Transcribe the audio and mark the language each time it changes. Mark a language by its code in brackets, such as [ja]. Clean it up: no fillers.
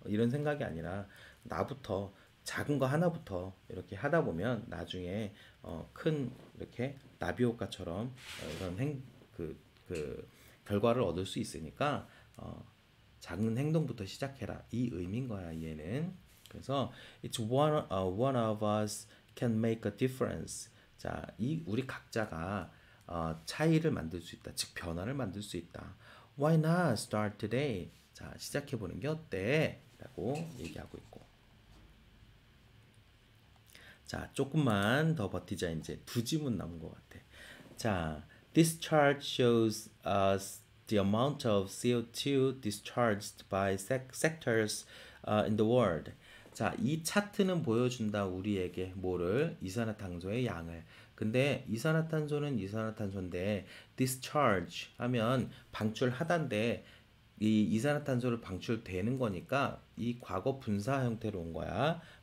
[ko] 이런 생각이 아니라 나부터 작은 거 하나부터 이렇게 하다 보면 나중에 큰 이렇게 나비 효과처럼 이런 결과를 얻을 수 있으니까 작은 행동부터 시작해라. 이 의미인 거야, 얘는. [en] 그래서 it's one of us can make a difference. [ko] 자, 이 우리 각자가 차이를 만들 수 있다. 즉 변화를 만들 수 있다. [en] Why not start today? [ko] 자, 시작해 보는 게 어때? 라고 얘기하고 있고. 자, 조금만 더 버티자. 이제 두 지문 남은 것 같아. [en] 자, this chart shows us the amount of CO2 discharged by sectors in the world. [ko] 자, 이 차트는 보여준다 우리에게 뭐를? 이산화탄소의 양을. 근데 이산화탄소는 이산화탄소인데 discharge 하면 방출하단데 이 이산화탄소를 방출되는 거니까 이 과거 분사 형태로 온 거야.